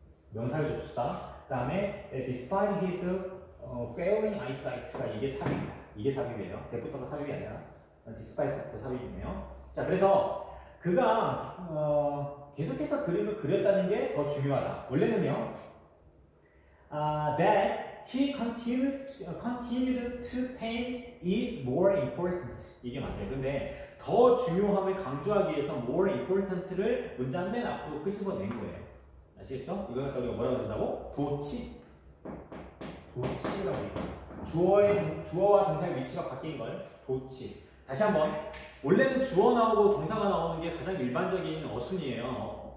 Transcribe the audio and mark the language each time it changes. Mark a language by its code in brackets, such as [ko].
[ko] 명사를 줬다. 그 다음에 [en] Despite his failing eyesight [ko] 가 이게 삽입입니다. 이게 삽입이에요. 대부터가 삽입이 아니라 despite부터 삽입이네요. 자, 그래서 그가 계속해서 그림을 그렸다는 게 더 중요하다. 원래는요. [en] That he continued to paint is more important. [ko] 이게 맞아요. 근데 더 중요함을 강조하기 위해서 more important를 문장 맨 앞으로 끄집어낸 거예요. 아시겠죠? 이걸 갖다 우리가 뭐라고 한다고? 도치라고 주어의 주어와 동사의 위치가 바뀐 걸 도치. 다시 한번, 원래는 주어 나오고 동사가 나오는 게 가장 일반적인 어순이에요.